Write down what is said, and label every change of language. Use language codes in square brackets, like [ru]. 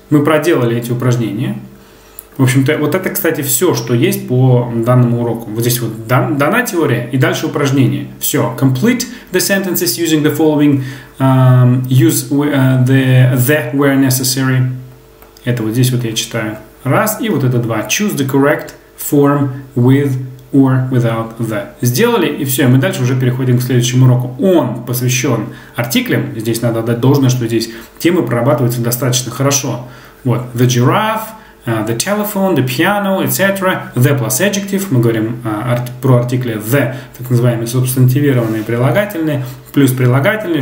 [ru] Мы проделали эти упражнения. В общем-то, вот это, кстати, все, что есть по данному уроку. Вот здесь вот дана теория, и дальше упражнение. Все. [en] Complete the sentences using the following. Use the where necessary. [ru] Это вот здесь вот я читаю. Раз, и вот это два. [en] Choose the correct form with or without the. [ru] Сделали, и все. Мы дальше уже переходим к следующему уроку. Он посвящен артиклям. Здесь надо отдать должное, что здесь темы прорабатываются достаточно хорошо. Вот. [en] The giraffe, the telephone, the piano, etc. The plus adjective. [ru] Мы говорим про артикли the, так называемые субстантивированные прилагательные, плюс прилагательные.